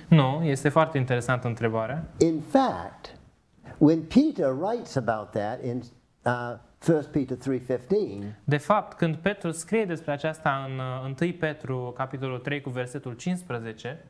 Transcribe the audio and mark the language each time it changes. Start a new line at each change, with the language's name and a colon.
Romanian: Nu, este foarte interesantă întrebarea.
English: In fact, when Peter writes about that in 1 Peter 3:15.
Romanian: De fapt, când Petru scrie despre aceasta în 1 Petru capitolul 3 cu versetul 15,